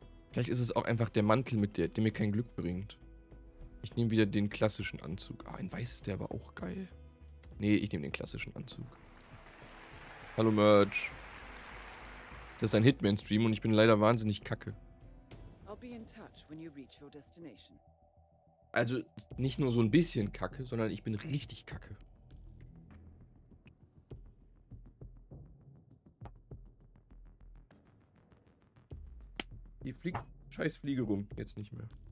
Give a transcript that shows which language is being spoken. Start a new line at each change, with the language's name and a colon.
German: Vielleicht ist es auch einfach der Mantel, mit der mir kein Glück bringt. Ich nehme wieder den klassischen Anzug. Ah, ein weißes, der war auch geil. Nee, ich nehme den klassischen Anzug. Hallo Merch. Das ist ein Hitman-Stream und ich bin leider wahnsinnig kacke.
English: I'll be in touch when you reach your destination.
German: Also nicht nur so ein bisschen kacke, sondern ich bin richtig kacke. Die fliegt scheiß Fliege rum, jetzt nicht mehr.